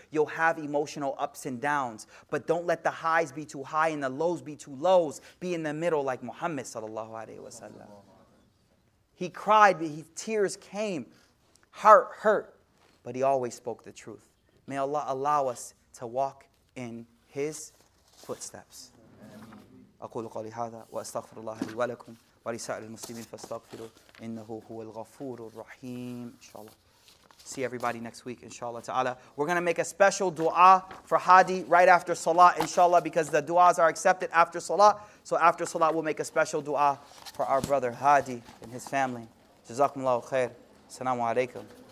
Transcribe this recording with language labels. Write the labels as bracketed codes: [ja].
[en] You'll have emotional ups and downs, but don't let the highs be too high and the lows be too lows. Be in the middle like Muhammad sallallahu alaihi wasallam. He cried, his tears came, heart hurt, but he always spoke the truth. May Allah allow us to walk in his footsteps. [ar] أقول قولي هذا وأستغفر الله لي ولكم ولسائر المسلمين فاستغفروا إنه هو الغفور الرحيم إن شاء الله. [en] See everybody next week, inshallah ta'ala. We're going to make a special dua for Hadi right after salah, inshallah, because the duas are accepted after salah. So after salah, we'll make a special dua for our brother Hadi and his family. [ar] جزاكم الله خير. السلام عليكم.